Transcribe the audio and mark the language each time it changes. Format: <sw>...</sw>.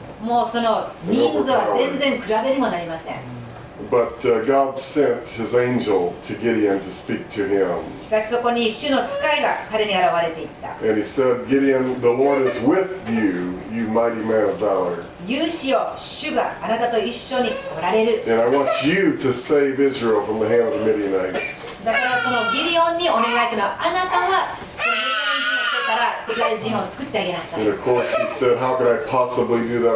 <ja>もうその人数は全然比べにもなりません。</ja> <en>But God sent his angel to Gideon to speak to him.</en> <ja>しかしそこに主の使いが彼に現れていった。</ja> <en>And he said, Gideon, the Lord is with you, you mighty man of valor.</en> <ja>勇士よ、主があなたと一緒におられる。</ja> <en>And I want you to save Israel from the hand of the Midianites.</en> <ja>だからそのギデオンにお願いするのは、あなたは</ja> <en>And of course he said, how could I possibly do that?</en>